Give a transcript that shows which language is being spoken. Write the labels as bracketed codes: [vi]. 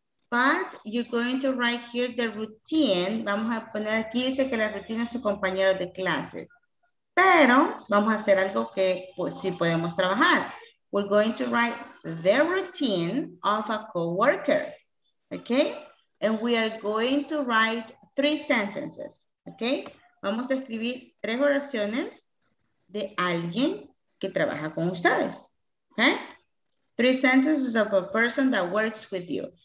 [en] But you're going to write here the routine. [es] Vamos a poner aquí, dice que la rutina es su compañero de clases. Pero vamos a hacer algo que pues, sí podemos trabajar. [en] We're going to write the routine of a coworker, okay? And we are going to write 3 sentences, okay? [es] Vamos a escribir 3 oraciones de alguien que trabaja con ustedes, okay? [en] 3 sentences of a person that works with you.